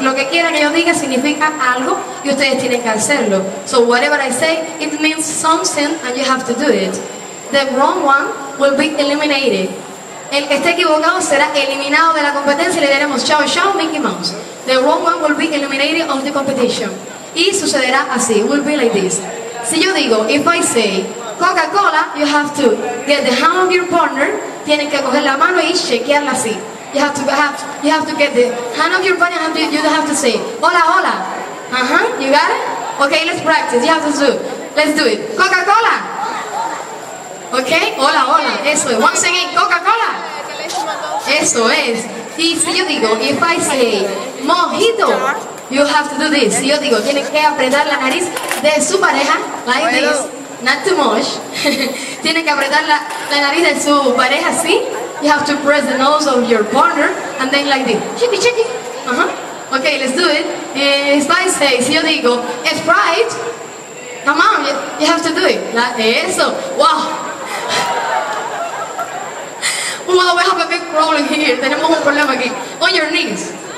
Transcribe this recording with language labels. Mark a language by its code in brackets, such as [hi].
[es] Lo que quiera que yo diga significa algo y ustedes tienen que hacerlo. [en] So whatever I say, it means something and you have to do it. The wrong one will be eliminated. [es] El que esté equivocado será eliminado de la competencia y le diremos chao, chao, Mickey Mouse. [en] The wrong one will be eliminated of the competition. [es] Y sucederá así, [en] it will be like this. [es] Si yo digo, [en] if I say Coca-Cola, you have to get the hand of your partner. [es] Tienen que coger la mano y chequearla así. [en] You have to get the hand of your partner. You have to say, [es] hola, hola. [en] You got it? Okay, let's practice. You have to do. Let's do it. [es] Coca-Cola. Okay, hola, hola. Eso es. [en] Once again, Coca-Cola. [es] Eso es. Y si yo digo, [en] if I say mojito, you have to do this. [es] Si yo digo, tienen que apretar la nariz de su pareja, [en] like this. Not too much. [es] Tienen que apretar la nariz de su pareja, ¿sí? [en] You have to press the nose of your partner, and then like this. Chiqui, chiqui. Okay, let's do it. If I say, [es] si yo digo, [en] Sprite, come on, you have to do it. Eso. Wow. Wow, we have a big problem here. [es] Tenemos un problema aquí. [en] On your knees.